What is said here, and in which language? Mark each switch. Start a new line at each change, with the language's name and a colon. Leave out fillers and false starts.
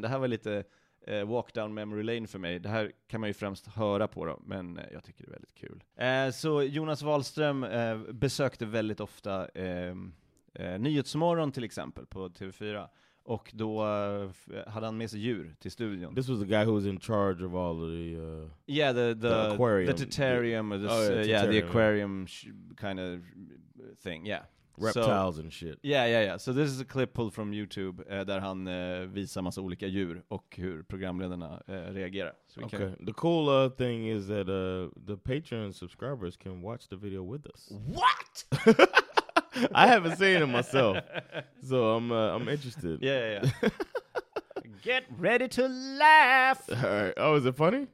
Swedish: Det här var lite
English: walk down memory lane
Swedish: för mig. Det här kan man ju främst höra på då. Men jag tycker det är väldigt kul. Så Jonas Wahlström besökte väldigt ofta Nyhetsmorgon till exempel på TV4. Och då hade han med sig djur till studion.
English: This was the guy who was in charge of all the the aquarium, the terrarium, the aquarium kind of thing. Yeah. Reptiles and shit. Yeah. So this is a clip pulled from YouTube
Swedish: där han visar massa olika djur och hur programledarna reagerar.
English: So okay. The cool thing is that the Patreon subscribers can watch the video with us. What? I haven't seen it myself, so I'm interested. Yeah. Get ready to laugh. All right. Oh, is it funny?